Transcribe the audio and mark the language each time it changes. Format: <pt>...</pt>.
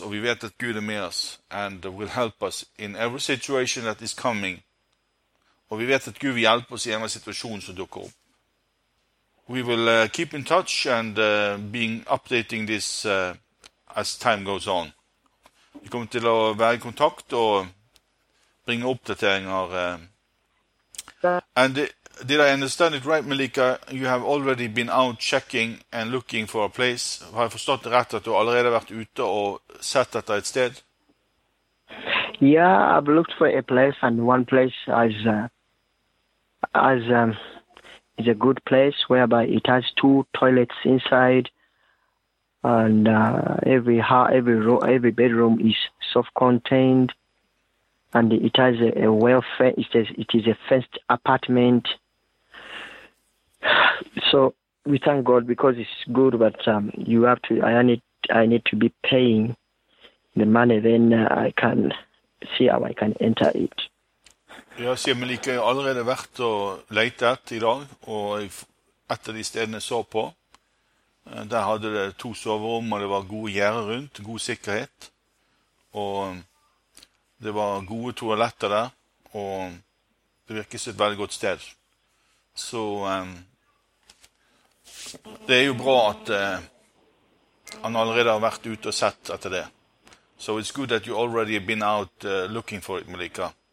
<no>Og vi vet at Gud med oss</no> <en>and will help us in every situation that is coming.</en> <no>Og vi vet at Gud vil hjelpe oss I en situasjon som dukker opp.</no> <en>We will keep in touch and being updating this as time goes on.</en> <no>Vi kommer til å være I kontakt og bringe oppdateringer.</no> <en>And did I understand it right, Malika? You have already been out checking and looking for a place.</en> <no>Har jeg forstått det rett at du allerede har vært ute og sett etter et sted?</no> <en>Yeah, I've looked for a place and one place is... is a good place whereby it has two toilets inside and every bedroom is self-contained and it has a welfare it is a fenced apartment so we thank God because it's good but you have to I need to be paying the money then I can see how I can enter it.</en> <no>Ja, sier Malika, jeg har allerede vært og letet I dag, og et av de stedene jeg så på, der hadde det to soverommer, og det var gode gjerder rundt, god sikkerhet, og det var gode toaletter der, og det virket som et veldig godt sted. Så det jo bra at han allerede har vært ute og sett etter det.</no> <en>So it's good that you already have been out looking for it, Malika.</en>